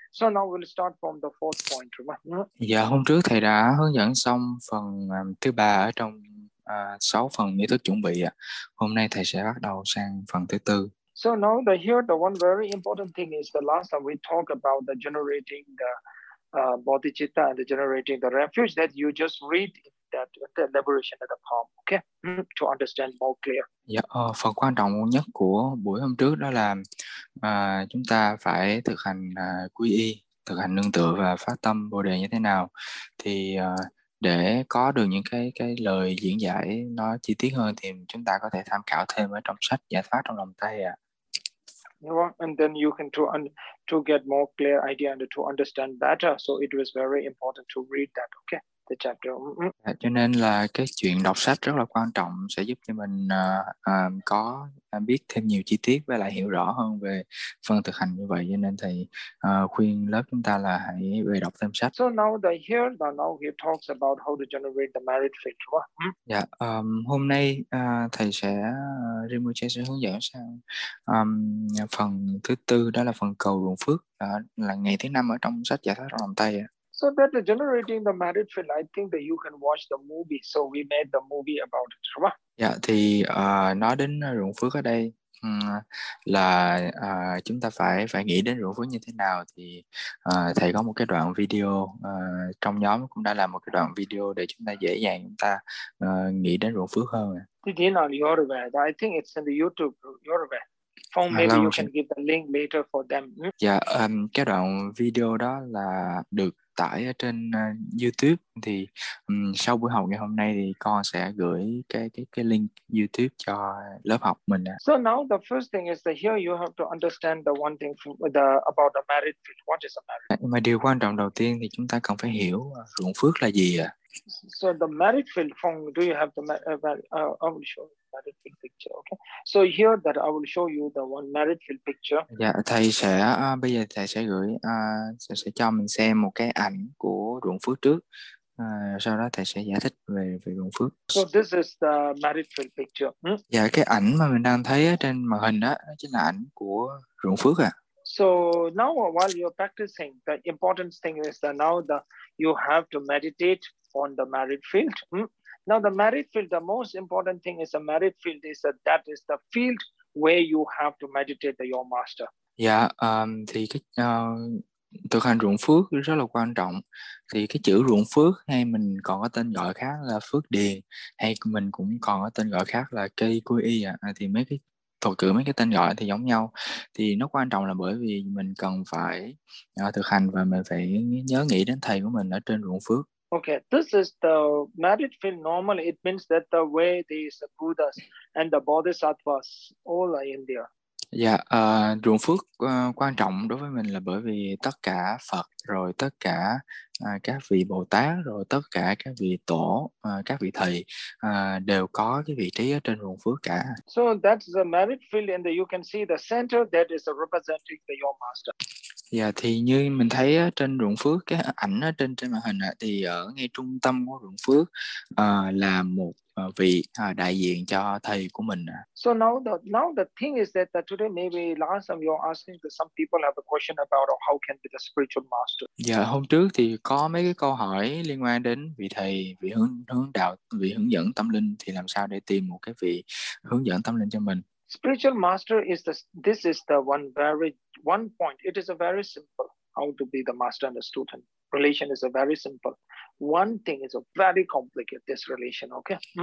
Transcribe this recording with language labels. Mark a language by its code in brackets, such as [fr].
[en] So now we'll start from the fourth point, remember? [vi] Dạ, hôm trước thầy đã hướng dẫn xong phần thứ ba ở trong 6 phần nghi thức chuẩn bị ạ. Hôm nay thầy sẽ bắt đầu sang phần thứ tư. [en] So now the here the one very important thing is the last time we talked about the generating the bodhicitta and the generating the refuge that you just read that the elaboration of the poem, okay? To understand more clear. [vi] Dạ, phần quan trọng nhất của buổi hôm trước đó là chúng ta phải thực hành quy y, thực hành nương tựa và phát tâm Bồ đề như thế nào thì để có được những cái lời diễn giải nó chi tiết hơn thì chúng ta có thể tham khảo thêm ở trong sách Giải Thoát Trong Lòng Tay ạ. [en] And then you can to get more clear idea and to understand better, so it was very important to read that, okay, the chapter. [vi] Cho nên là cái chuyện đọc sách rất là quan trọng, sẽ giúp cho mình có biết thêm nhiều chi tiết và lại hiểu rõ hơn về phần thực hành như vậy. Cho nên thầy khuyên lớp chúng ta là hãy về đọc thêm sách. [en] So now the here the now he talks about how to generate the merit filter. [vi] Dạ, hôm nay thầy sẽ Rinpoche sẽ hướng dẫn sang phần thứ tư, đó là phần cầu ruộng phước, là ngày thứ năm ở trong sách Giải Thoát Lòng Tay. [en] So that the generating the merit field, I think that you can watch the movie. So we made the movie about it, right? [vi] Yeah, thì nói đến ruộng phước ở đây là chúng ta phải nghĩ đến ruộng phước như thế nào thì thầy có một cái đoạn video trong nhóm cũng đã làm một cái đoạn video để chúng ta dễ dàng chúng ta nghĩ đến ruộng phước hơn. [en] It's in on Yoruba. I think it's in the YouTube Yoruba. Phong, maybe you can give the link later for them. [vi] Dạ, cái đoạn video đó là được tải ở trên YouTube thì sau buổi học ngày hôm nay thì con sẽ gửi cái link YouTube cho lớp học mình. [en] So now the first thing is that here you have to understand the one thing from the about the merit field. What is a merit? [vi] Nhưng mà điều quan trọng đầu tiên thì chúng ta cần phải hiểu ruộng phước là gì ạ. [en] So the merit field, Phong, do you have the I will show you the merit field picture, okay? So here that I will show you the one merit field picture. [vi] Dạ, thầy sẽ bây giờ thầy sẽ gửi sẽ cho mình xem một cái ảnh của ruộng phước trước. Sau đó thầy sẽ giải thích về ruộng phước. [en] So this is the merit field picture. [vi] Dạ, cái ảnh mà mình đang thấy trên màn hình đó chính là ảnh của ruộng phước ạ. [en] So now while you're practicing, the important thing is that now the you have to meditate on the merit field. Now the merit field, the most important thing is the merit field is that that is the field where you have to meditate the your master. [vi] Yeah, thì cái thực hành ruộng phước rất là quan trọng. Thì cái chữ ruộng phước hay mình còn có tên gọi khác là phước điền, hay mình cũng còn có tên gọi khác là cây quy y ạ. Thì mấy cái thuật cử mấy cái tên gọi thì giống nhau, thì nó quan trọng là bởi vì mình cần phải thực hành và mình phải nhớ nghĩ đến thầy của mình ở trên ruộng phước. [en] Okay, this is the merit field. Normally, it means that the way these Buddhas and the Bodhisattvas all are in there. [vi] Dạ, ruộng phước quan trọng đối với mình là bởi vì tất cả Phật, rồi tất cả các vị Bồ Tát, rồi tất cả các vị Tổ, các vị Thầy đều có cái vị trí ở trên ruộng phước cả. [en] So that's the merit field and you can see the center that is representing the your master. [vi] Dạ, thì như mình thấy trên ruộng phước, cái ảnh ở trên màn hình thì ở ngay trung tâm của ruộng phước là một vị đại diện cho thầy của mình. [en] So now the thing is that today maybe last time you're asking that some people have a question about how can be the spiritual master. [vi] Dạ, hôm trước thì có mấy cái câu hỏi liên quan đến vị thầy, vị hướng đạo, vị hướng dẫn tâm linh thì làm sao để tìm một cái vị hướng dẫn tâm linh cho mình. [en] Spiritual master is this is the one very one point. It is a very simple how to be the master and the student. Relation is a very simple. One thing is a very complicated this relation, okay?